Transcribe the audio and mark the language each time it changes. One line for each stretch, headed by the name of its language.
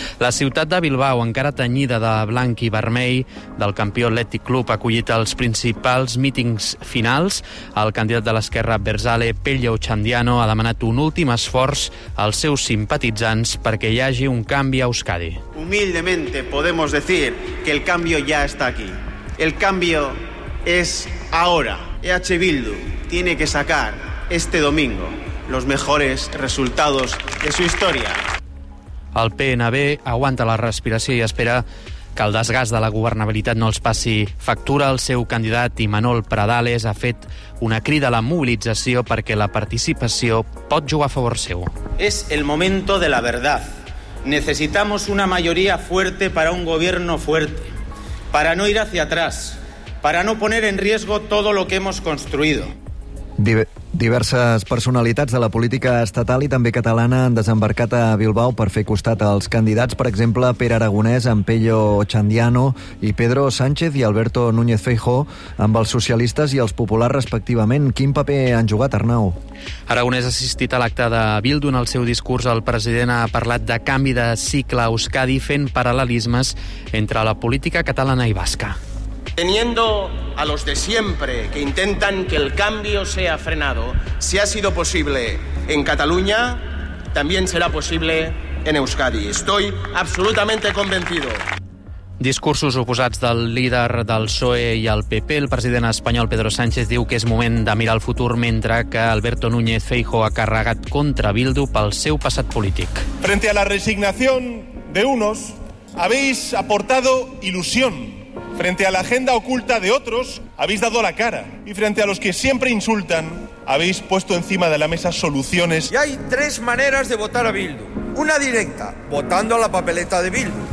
Catalan: La ciutat de Bilbao, encara tenyida de blanc i vermell, del campió Athletic Club, ha acollit els principals mítings finals. El candidat de l'esquerra, Berzale Pello Ochandiano, ha demanat un últim esforç als seus simpatitzants perquè hi hagi un canvi a Euskadi.
Spanish: Humildemente podemos decir que el cambio ya está aquí. El cambio es ahora. EH Bildu tiene que sacar este domingo los mejores resultados de su historia.
Catalan: El PNB aguanta la respiració i espera que el desgast de la governabilitat no els passi factura. El seu candidat, Imanol Pradales, ha fet una crida a la mobilització perquè la participació pot jugar a favor seu.
Spanish: Es el momento de la verdad. Necesitamos una mayoría fuerte para un gobierno fuerte, para no ir hacia atrás, para no poner en riesgo todo lo que hemos construido.
Catalan: Diverses personalitats de la política estatal i també catalana han desembarcat a Bilbao per fer costat als candidats, per exemple, Pere Aragonès amb Pello Ochandiano i Pedro Sánchez i Alberto Núñez Feijóo amb els socialistes i els populars respectivament. Quin paper han jugat, Arnau? Aragonès ha assistit a l'acte de Bildu. En el seu discurs, el president ha parlat de canvi de cicle a Euskadi fent paral·lelismes entre la política catalana i basca.
Spanish: Teniendo a los de siempre que intentan que el cambio sea frenado, si ha sido posible en Cataluña, también será posible en Euskadi. Estoy absolutamente convencido.
Catalan: discursos oposats del líder del PSOE i el PP, el president espanyol Pedro Sánchez diu que és moment de mirar el futur, mentre que Alberto Núñez Feijóo ha carregat contra Bildu pel seu passat polític.
Spanish: Frente a la resignación de unos, habéis aportado ilusión. Frente a la agenda oculta de otros, habéis dado la cara. Y frente a los que siempre insultan, habéis puesto encima de la mesa soluciones. Y hay tres maneras de votar a Bildu. Una directa, votando a la papeleta de Bildu.